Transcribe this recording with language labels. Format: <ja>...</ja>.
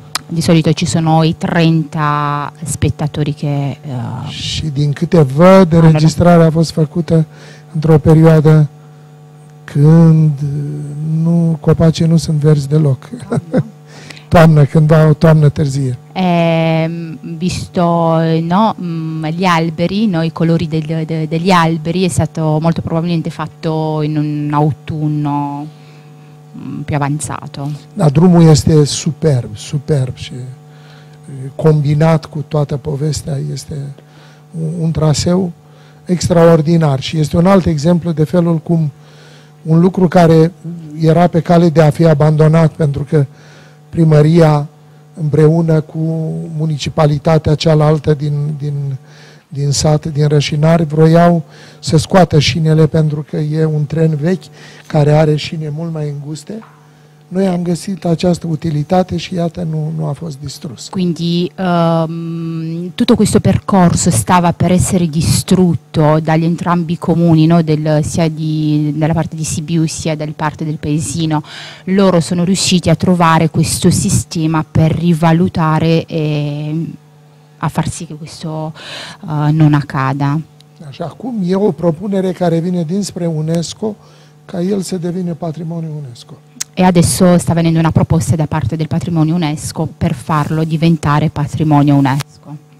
<it>Di solito ci sono i 30 spettatori che...</it> <ro>Și din câte văd, registrarea a fost făcută într-o perioadă când nu, copacii nu sunt verzi deloc. Toamnă, când va o toamnă târzie.</ro> <it>Visto, no, gli alberi, no, i colori degli alberi, è stato molto probabilmente fatto in un autunno più avanzato.</it> <ro>Da, drumul este superb, superb și combinat cu toată povestea, este un traseu extraordinar și este un alt exemplu de felul cum un lucru care era pe cale de a fi abandonat pentru că primăria împreună cu municipalitatea cealaltă din sat, din Rășinari, vroiau să scoată șinele pentru că e un tren vechi care are șine mult mai înguste. Noi am găsit această utilitate și iată, nu a fost distrus.</ro> <it>Quindi tutto questo percorso stava per essere distrutto dagli entrambi i comuni, no, della parte di Sibiu sia dal parte del paesino. Loro sono riusciti a trovare questo sistema per rivalutare e a far sì che questo non accada.</it> <ro>Așa, acum e o propunere care vine dinspre UNESCO ca el să devină patrimoniu UNESCO.</ro> <it>E adesso sta venendo una proposta da parte del patrimonio UNESCO per farlo diventare patrimonio UNESCO.</it>